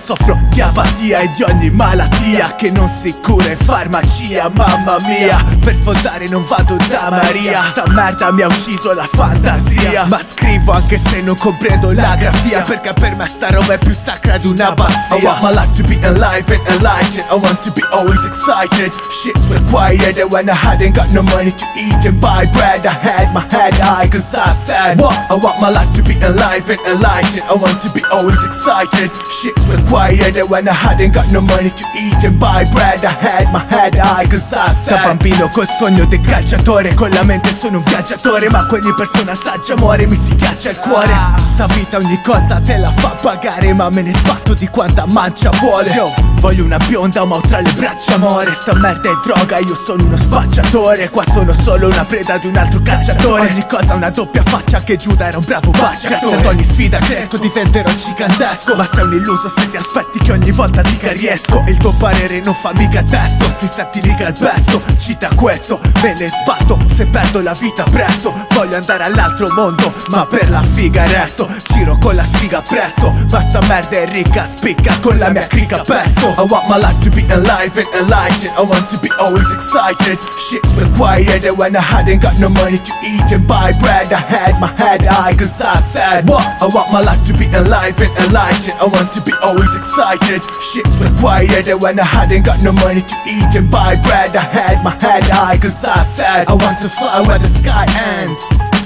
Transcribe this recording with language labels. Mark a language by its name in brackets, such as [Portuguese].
[Italian] Soffro di apatia e di ogni malattia, che non si cura in farmacia, mamma mia. Per sfondare non vado da Maria, sta merda mi ha ucciso la fantasia. Ma scrivo anche se non comprendo la grafia, perché per me sta roba è più sacra di un'abbazia. [English] I want my life to be alive and enlightened. I want to be always excited. Shit's required, and when I hadn't got no money to eat and buy bread, I had my head high, cause I said what? I want my life to be alive and enlightened. I want to be always excited. Shit's required, and when I hadn't got no money to eat and buy bread, I had my head high, cause I said. [Italian] Da bambino col sogno del calciatore, con la mente sono un viaggiatore, ma quando ogni persona sa già muore, mi si ghiaccia il cuore. Sta vita ogni cosa te la fa pagare, ma me ne sbatto di quanta mancia vuole. Yo, voglio una bionda, ma ho tra le braccia amore. Sta merda è droga, io sono uno spacciatore. Qua sono solo una preda di un altro cacciatore. Ogni cosa ha una doppia faccia, che Giuda era un bravo bacio. Grazie ad ogni sfida cresco, diventerò gigantesco. Ma sei un illuso se ti aspetti che ogni volta dica riesco. Il tuo parere non fa mica testo, se senti liga il besto, cita questo. Me ne sbatto se perdo la vita presto. Voglio andare all'altro mondo, ma per la figa resto. Giro con la sfiga presto, ma sta merda è ricca, spicca con la mia cricca pesto. [English] I want my life to be alive and enlightened. I want to be always excited. Shit's required, and when I hadn't got no money to eat and buy bread, I had my head high, cause I said what? I want my life to be alive and enlightened. I want to be always excited. Shit's required, and when I hadn't got no money to eat and buy bread, I had my head high, cause I said I want to fly where the sky ends. We'll be right back.